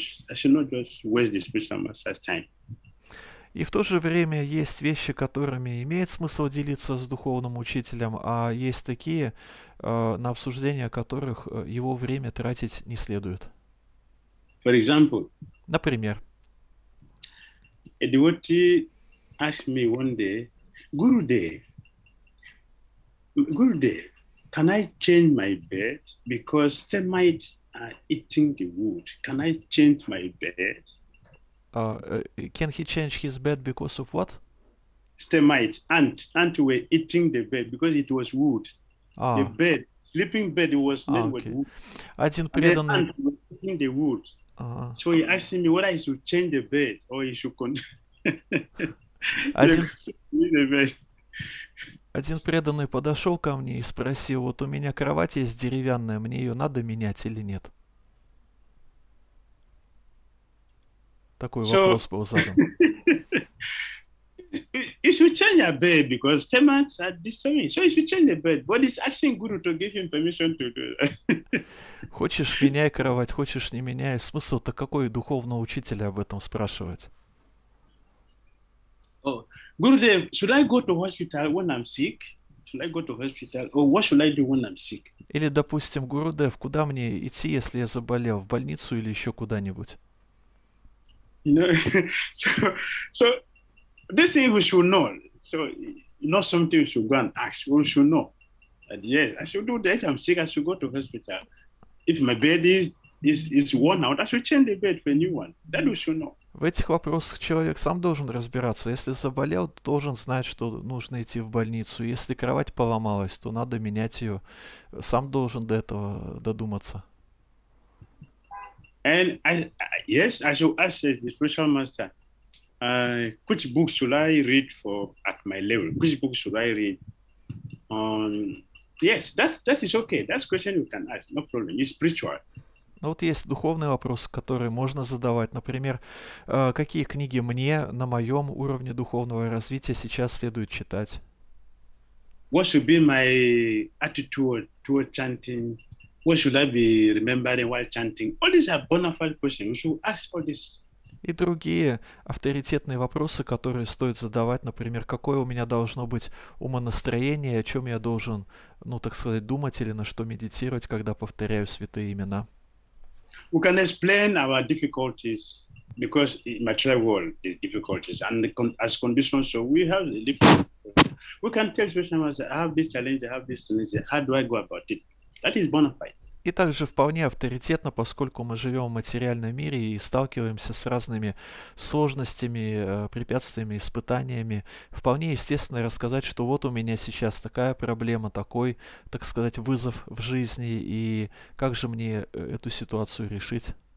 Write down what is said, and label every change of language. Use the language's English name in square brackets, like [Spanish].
[English] I should not just waste this precious master's time. [Russian] И в то же время есть вещи, которыми имеет смысл делиться с духовным учителем, а есть такие, на обсуждение которых его время тратить не следует. [English] For example, [Russian] например, [English] a devotee asked me one day, Gurudev, can I change my bed because termite eating the wood? Can I change my bed? Can he change his bed because of what? Termites, ant were eating the bed because it was wood. Ah. The bed, sleeping bed, it was made with wood. [Russian] Один преданный. [English] Ant were eating the wood. So he asked me whether I should change the bed or he should continue. [Russian] Один преданный подошел ко мне и спросил: вот у меня кровать есть деревянная, мне ее надо менять или нет? Такой вопрос был задан. [English] You should change your bed because termites are disturbing. So you should change the bed. But he's asking Guru to give him permission to do that. [Russian] Хочешь, меняй кровать, хочешь, не меняй. Смысл-то какой духовного учителя об этом спрашивать? [English] Gurudev, should I go to hospital when I'm sick? Should I go to hospital? Or what should I do when I'm sick? [Russian] Или, допустим, Гурудев, куда мне идти, если я заболел, в больницу или еще куда-нибудь? [English] You know, so this thing we should know. So not something we should go and ask. We should know. And yes, I should do that. If I'm sick, I should go to hospital. If my bed is worn out, I should change the bed for a new one. That we should know. [Russian] В этих вопросах человек сам должен разбираться. Если заболел, должен знать, что нужно идти в больницу. Если кровать поломалась, то надо менять ее. Сам должен до этого додуматься. [English] And I should ask the spiritual master, which book should I read for at my level? Which book should I read? Yes, that is okay. That's a question you can ask, no problem. It's spiritual. [Russian] Ну вот есть духовный вопрос, который можно задавать. Например, какие книги мне на моем уровне духовного развития сейчас следует читать? [English] What should be my attitude toward chanting? What should I be remembering while chanting? All these are bona fide questions. You should ask all this. [Russian] И другие авторитетные вопросы, которые стоит задавать, например, какое у меня должно быть умонастроение, о чем я должен, ну так сказать, думать или на что медитировать, когда повторяю святые имена. [English] We can explain our difficulties because in material world the difficulties and the as conditions. So we have the difficulties. We can tell special master, I have this challenge, I have this challenge. How do I go about it? That is bona fide. [Russian] И также вполне авторитетно, поскольку мы живем в материальном мире и сталкиваемся с разными сложностями, препятствиями, испытаниями, вполне естественно рассказать, что вот у меня сейчас такая проблема, такой, так сказать, вызов в жизни, и как же мне эту ситуацию решить.